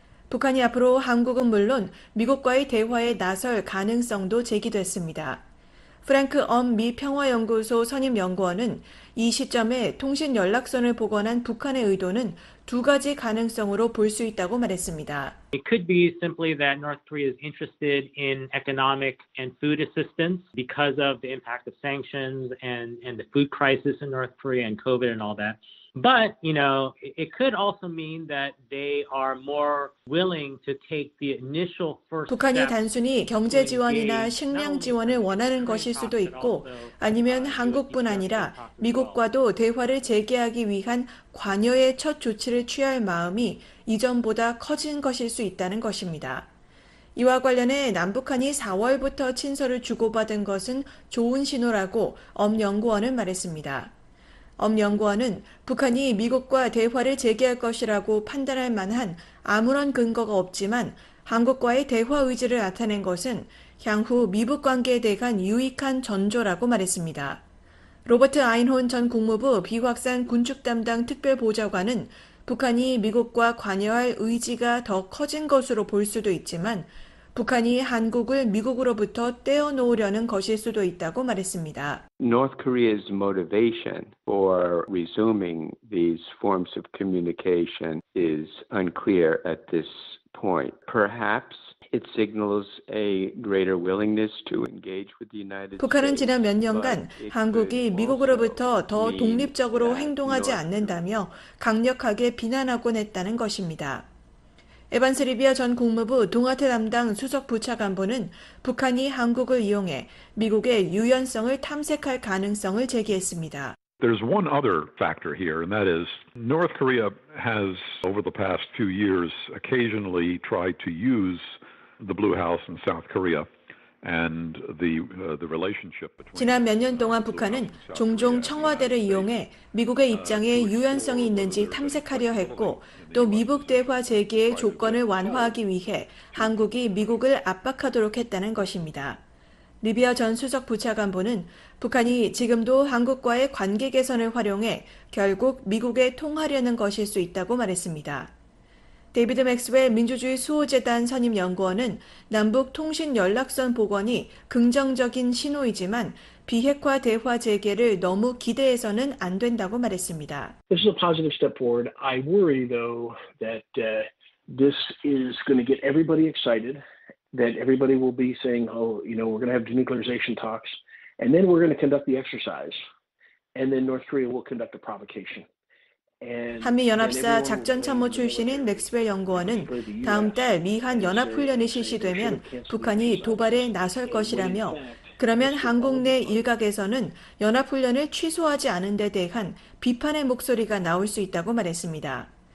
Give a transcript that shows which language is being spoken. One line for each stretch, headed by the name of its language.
Korean: 북한이 앞으로 한국은 물론 미국과의 대화에 나설 가능성도 제기됐습니다. 프랭크 엄 미 평화연구소 선임 연구원은 이 시점에 통신 연락선을 복원한 북한의 의도는 두 가지 가능성으로 볼 수 있다고 말했습니다.
English: It could be simply that North Korea is interested in economic and food assistance because of the impact of sanctions and the food crisis in North Korea and COVID and all that. But, you know, it could also mean that they are more willing to take the initial first step.
Korean: 북한이 단순히 경제 지원이나 식량 지원을 원하는 것일 수도 있고 아니면 한국뿐 아니라 미국과도 대화를 재개하기 위한 관여의 첫 조치를 취할 마음이 이전보다 커진 것일 수 있다는 것입니다. 이와 관련해 남북한이 4월부터 친서를 주고받은 것은 좋은 신호라고 엄 연구원은 말했습니다. 엄 연구원은 북한이 미국과 대화를 재개할 것이라고 판단할 만한 아무런 근거가 없지만 한국과의 대화 의지를 나타낸 것은 향후 미북 관계에 대한 유익한 전조라고 말했습니다. 로버트 아인혼 전 국무부 비확산 군축 담당 특별보좌관은 북한이 미국과 관여할 의지가 더 커진 것으로 볼 수도 있지만 북한이 한국을 미국으로부터 떼어놓으려는 것일 수도 있다고 말했습니다.
English: North Korea's motivation for resuming these forms of communication is unclear at this point. Perhaps it signals a greater willingness to engage with the United States.
Korean: 북한은 지난 몇 년간 한국이 미국으로부터 더 독립적으로 행동하지 않는다며 강력하게 비난하곤 했다는 것입니다. 에반스 리비아 전 국무부 동아태 담당 수석 부차관보는 북한이 한국을 이용해 미국의 유연성을 탐색할 가능성을 제기했습니다.
English: There's one other factor here, and that is North Korea has over the past few years occasionally tried to use the Blue House in South Korea. And the relationship between
Korean: 지난 몇 년 동안 북한은 종종 청와대를 이용해 미국의 입장에 유연성이 있는지 탐색하려 했고 또 미북 대화 재개의 조건을 완화하기 위해 한국이 미국을 압박하도록 했다는 것입니다. 리비아 전 수석 부차관보는 북한이 지금도 한국과의 관계 개선을 활용해 결국 미국에 통하려는 것일 수 있다고 말했습니다. 데이비드 맥스웰 민주주의 수호재단 선임 연구원은 남북 통신 연락선 복원이 긍정적인 신호이지만 비핵화 대화 재개를 너무 기대해서는 안 된다고 말했습니다.
English: This is a positive step forward. I worry though that this is going to get everybody excited, that everybody will be saying, "Oh, you know, we're going to have denuclearization talks, and then we're going to conduct the exercise, and then North Korea will conduct the provocation."
Korean: 한미연합사 작전참모 출신인 맥스웰 연구원은 다음 달 미한연합훈련이 실시되면 북한이 도발에 나설 것이라며 그러면 한국 내 일각에서는 연합훈련을 취소하지 않은 데 대한 비판의 목소리가 나올 수 있다고 말했습니다.